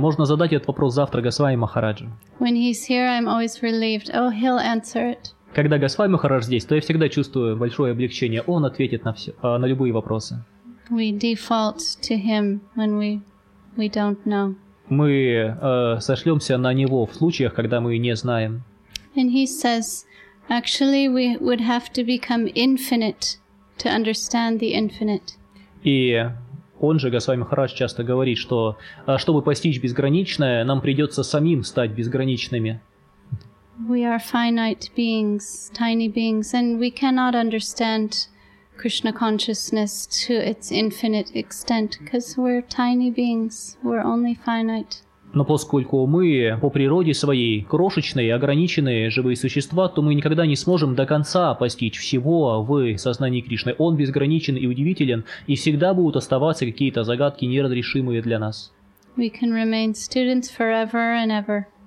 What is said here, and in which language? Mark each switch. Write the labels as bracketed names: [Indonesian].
[Russian] Можно задать этот вопрос завтра Госвами Махараджу. [English] When he's here, I'm always relieved. Oh, he'll answer it. [Russian] Когда Госвами Махарадж здесь, то я всегда чувствую большое облегчение. Он ответит на все, на любые вопросы. [English] We default to him when we don't know. [Russian] Мы сошлемся на него в случаях, когда мы не знаем. [English] And he says, actually, we would have to become infinite to understand the infinite. [Russian] И он же, Госвами Махарадж, часто говорит, что чтобы постичь безграничное, нам придется самим стать безграничными. [English] We are finite beings, tiny beings, and we cannot understand Krishna consciousness to its infinite extent, because we're tiny beings, we're only finite. [Russian] Но поскольку мы по природе своей крошечные, ограниченные живые существа, то мы никогда не сможем до конца постичь всего в сознании Кришны. Он безграничен и удивителен, и всегда будут оставаться какие-то загадки, неразрешимые для нас. [English] We can remain students forever and ever.